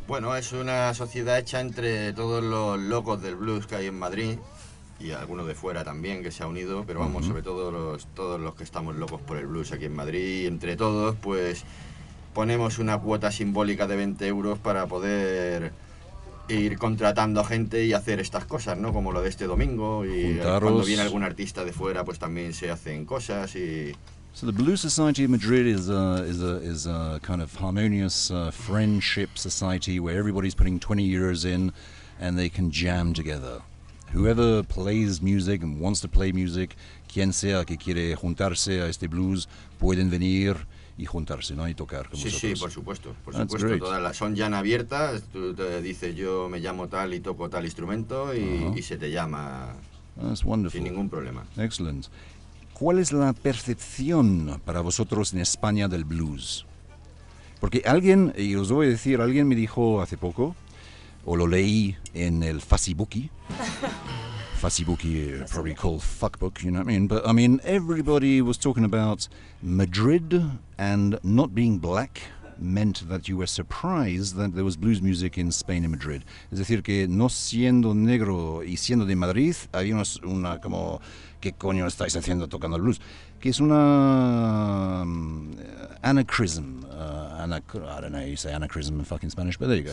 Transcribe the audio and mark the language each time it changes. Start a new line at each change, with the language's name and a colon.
Spanish: Bueno, es una sociedad hecha entre todos los locos del blues que hay en Madrid y algunos de fuera también que se ha unido, pero vamos, sobre todo todos los que estamos locos por el blues aquí en Madrid, y entre todos, pues... ponemos una cuota simbólica de 20 euros para poder ir contratando gente y hacer estas cosas, ¿no? Como lo de este domingo, y juntaros. Cuando viene algún artista de fuera, pues también se hacen cosas y...
English: So the Blues Society of Madrid is a kind of harmonious friendship society where everybody's putting 20 euros in and they can jam together. Whoever plays music and wants to play music,
Spanish: quien sea que quiere juntarse a este blues, pueden venir y juntarse, ¿no? Y tocar con vosotros. Sí, sí, por supuesto. Todas las son ya abiertas. Tú te dices, yo me llamo tal y toco tal instrumento y se te llama.
English: That's wonderful.
Spanish: Sin ningún problema.
English: Excellent.
Spanish: ¿Cuál es la percepción para vosotros en España del blues? Porque alguien, y os voy a decir, alguien me dijo hace poco, o lo leí en el Fassibookie,
English: probably called Fuckbook, you know what I mean? But I mean, everybody was talking about Madrid and not being black meant that you were surprised that there was blues music in Spain and Madrid.
Spanish: Es decir, que no siendo negro y siendo de Madrid, había una como, ¿qué coño estáis haciendo tocando blues? Que es una anachronism.
English: I don't know how you say anachronism in fucking Spanish, but there you go.